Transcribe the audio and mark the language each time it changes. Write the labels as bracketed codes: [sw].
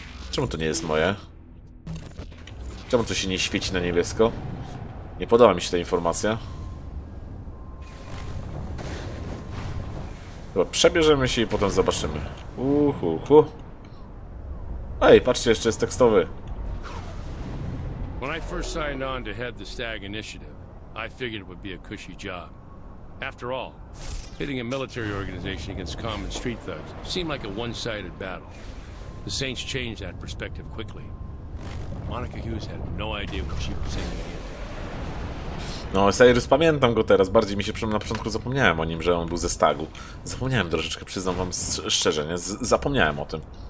[pl] Czemu to nie jest moje? Czemu to się nie świeci na niebiesko? Nie podoba mi się ta informacja. Chyba przebierzemy się i potem zobaczymy. Uhuhu. Ej, patrzcie, jeszcze jest tekstowy. [en] When I first signed on to head the Stag initiative, I figured it would be a cushy job. After all, hitting a military organization against common street thugs seemed like a one-sided battle. The Saints changed that perspective quickly. Monica Hughes had no idea what she was saying. [pl] No, Cyrus, pamiętam go teraz, bardziej mi się przy... na początku zapomniałem o nim, że on był ze Stagu. Zapomniałem troszeczkę, przyznam wam szczerze, nie? Zapomniałem o tym.